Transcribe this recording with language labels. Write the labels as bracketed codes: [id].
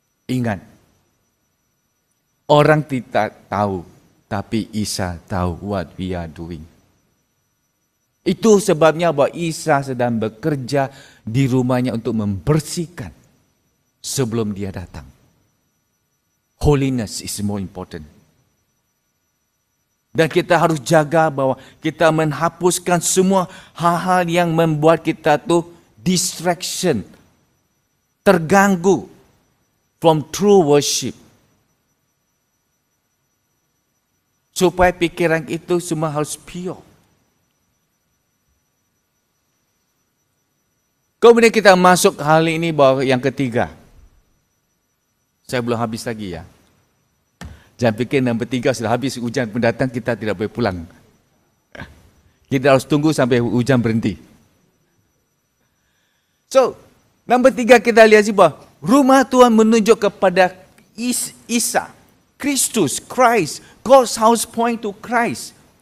[id] Ingat, orang tidak tahu, tapi Isa tahu [en] what we are doing. [id] Itu sebabnya bahwa Isa sedang bekerja di rumahnya untuk membersihkan sebelum dia datang. [en] Holiness is more important. [id] Dan kita harus jaga bahwa kita menghapuskan semua hal-hal yang membuat kita tuh distraction, terganggu [en] from true worship. [id] Supaya pikiran itu semua harus pure. Kemudian kita masuk hal ini bahwa yang ketiga. Saya belum habis lagi ya. Jangan pikir yang ketiga sudah habis, hujan mendatang kita tidak boleh pulang. Kita harus tunggu sampai hujan berhenti. So, nomor tiga kita lihat sih bahwa rumah Tuhan menunjuk kepada Isa, Kristus, Christ. [en] God's house point to Christ.